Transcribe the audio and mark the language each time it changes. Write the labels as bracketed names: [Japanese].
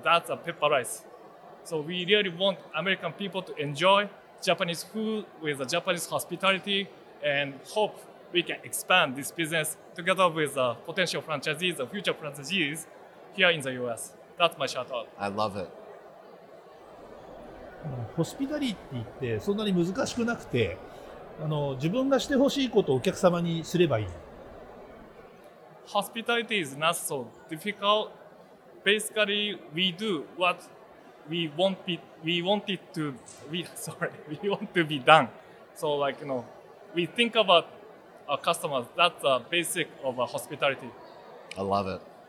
[English] That's a pepper rice. So we really want American people to enjoy Japanese food with the Japanese hospitality, and hope we can expand this business together with the potential franchisees, the future franchisees here in the US. That's my shout out. I love it. [Japanese] ホスピタリティってそんなに難しくなくて、自分がしてほしいことをお客様にすればいい。 [English] Hospitality is not so difficult. Basically, we do what we want to be done. So, like, you know, we think about our customers. That's the basic of hospitality. I love it.